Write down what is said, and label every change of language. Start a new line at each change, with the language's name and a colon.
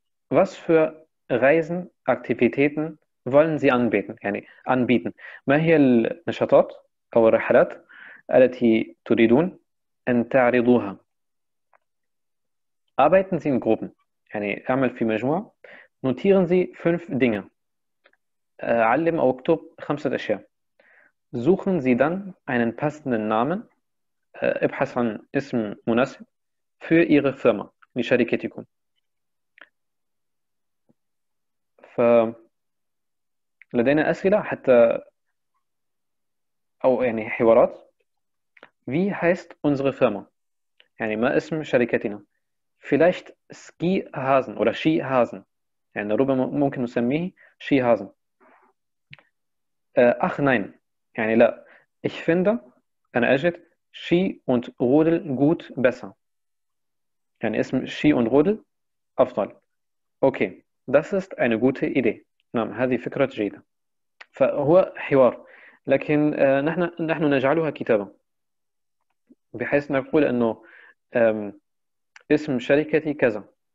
German: Was für Reisen, Aktivitäten wollen Sie anbieten?
Arabic: يعني
German: anbieten.
Arabic: ما هي النشاطات أو الرحلات التي تريدون أن تعرضوها؟
German: Arbeiten Sie in Gruppen.
Arabic: يعني اعمل في مجموعة.
German: Notieren Sie fünf Dinge.
Arabic: علم أو اكتب خمسة أشياء.
German: Suchen Sie dann einen passenden Namen.
Arabic: ابحث عن اسم مناسب
German: für Ihre Firma,
Arabic: لشركتكم. فلدينا أسئلة حتى أو يعني حوارات.
German: Wie heißt unsere Firma?
Arabic: يعني ما اسم شركتنا؟
German: Vielleicht Ski Hasen oder Ski Hasen.
Arabic: يعني ربما ممكن نسميه Ski Hasen.
German: Ach nein.
Arabic: يعني لا.
German: Ich finde,
Arabic: أنا أجد
German: Ski und Rodel gut besser.
Arabic: يعني اسم Ski und Rodel أفضل.
German: Okay. Das ist eine gute Idee.
Arabic: نعم. هذه فكرة جيدة. فهو حوار. لكن نحن نجعلها كتابة. بحيث نقول أنه اسم شركتي كذا.